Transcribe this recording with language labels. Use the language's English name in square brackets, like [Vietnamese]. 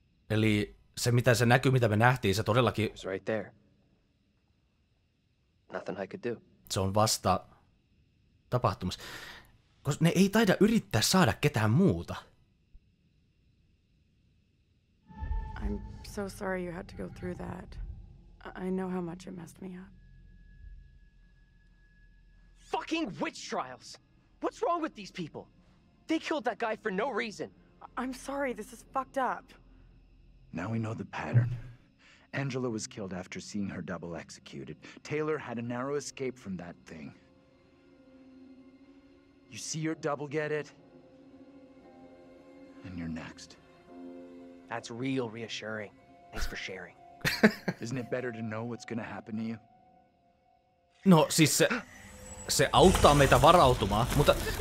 [Finnish] Eli se, mitä se näkyy, mitä me nähtiin, se todellakin... [English] He was right there. Nothing I could do. [Finnish] Se on vasta tapahtumassa. Koska ne ei taida yrittää saada ketään muuta. [English] I'm so sorry you had to go through that. I know how much it messed me up. Fucking witch trials! What's wrong with these people? They killed that guy for no reason. I'm sorry, this is fucked up. Now we know the pattern. Angela was killed after seeing her double executed. Taylor had a narrow escape from that thing. You see your double get it? And you're next. That's real reassuring. Thanks for sharing. Isn't it better to know what's gonna happen to you? [Finnish] No, siis se auttaa meitä varautumaan, mutta...